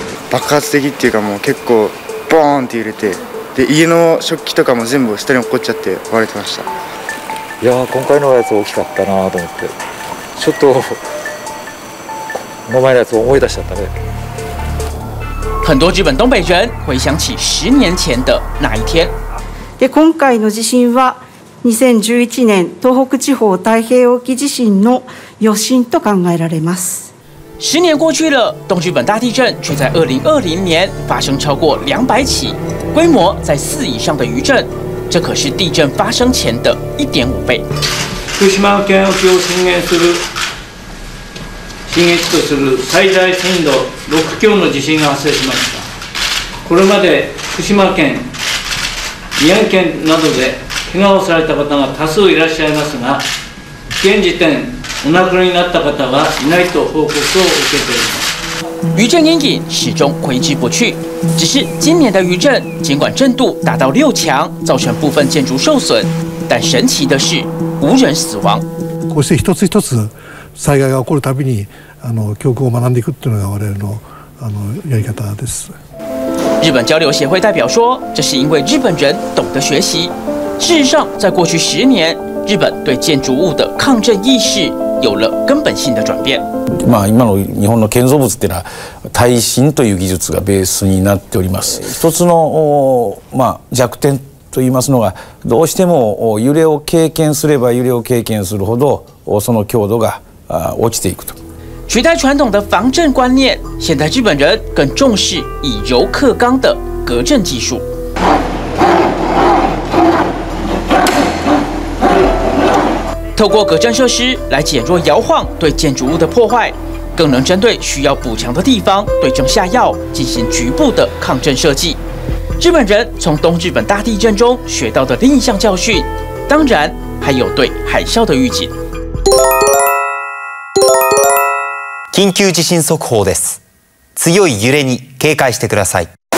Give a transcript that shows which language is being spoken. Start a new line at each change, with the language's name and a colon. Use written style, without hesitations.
Japanese: 爆発的っていうかもう結構ボーンって揺れて、で家の食器とかも全部下に落っこっちゃって割れてました。いや今回のやつ大きかったなと思って、ちょっとこの前のやつ思い出しちゃったね。
Chinese: 很多日本东北人回想起十年前的那一天。
Japanese: で今回の地震は2011年東北地方太平洋沖地震の余震と考えられます。
Chinese: 十年过去了，东日本大地震却在2020年发生超过200起，规模在4以上的余震，这可是地震发生前的 1.5 倍。
Japanese: 福島県沖を震源する、震源地とする最大震度6強の地震が発生しました。これまで福島県、宮城県などで怪我をされた方が多数いらっしゃいますが、現時点お亡くなりになった方はいないと報告を受けています。
Chinese: 余震阴影始终挥之不去，只是今年的余震尽管震度达到六强，造成部分建筑受损，但神奇的是无人死亡。
Japanese: こうして一つ一つ災害が起こるたびに教訓を学んでいくっていうのが我々のやり方です。
Chinese: 日本交流协会代表说，这是因为日本人懂得学习。事实上，在过去十年，日本对建筑物的抗震意识有了根本性的转变。
Japanese: まあ、今の日本の建造物というのは耐震という技術がベースになっております。一つの、まあ、弱点といいますのが、どうしても揺れを経験すれば揺れを経験するほどその強度が落ちていくと。
Chinese: 取代传统的防震观念，现在日本人更重视以柔克刚的隔震技术。透过隔震设施来减弱摇晃对建筑物的破坏，更能针对需要补强的地方对症下药，进行局部的抗震设计。日本人从东日本大地震中学到的另一项教训，当然还有对海啸的预警。
Japanese: 緊急地震速報です。強い揺れに警戒してください。